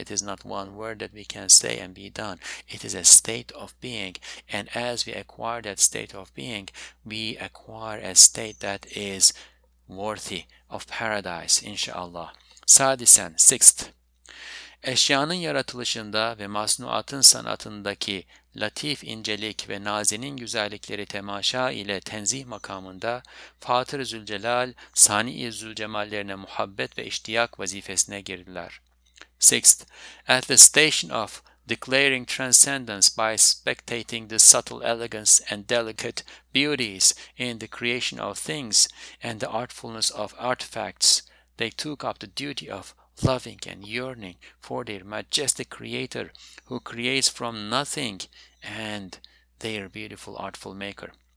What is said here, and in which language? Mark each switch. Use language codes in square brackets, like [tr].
[en] It is not one word that we can say and be done. It is a state of being. And as we acquire that state of being, we acquire a state that is worthy of paradise, inshallah. [tr] Sadisen, [en] sixth. [tr] Eşyanın yaratılışında ve masnuatın sanatındaki latif incelik ve nazinin güzellikleri temaşa ile tenzih makamında Fatır-ı Zülcelal, Sani-i Zülcemallerine muhabbet ve iştiyak vazifesine girdiler. [en] Sixth, at the station of declaring transcendence by spectating the subtle elegance and delicate beauties in the creation of things and the artfulness of artifacts, they took up the duty of loving and yearning for their majestic creator who creates from nothing and their beautiful artful maker.